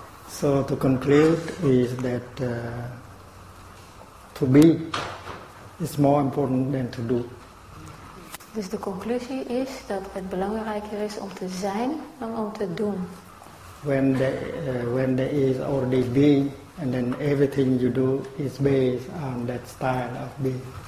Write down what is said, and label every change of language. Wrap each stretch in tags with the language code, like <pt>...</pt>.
<en>So to conclude is that to be is more important than to do.</en> <nl>Dus de conclusie is dat het belangrijker is om te zijn dan om te doen.</nl> <en>When there is already being, and then everything you do is based on that style of being.</en>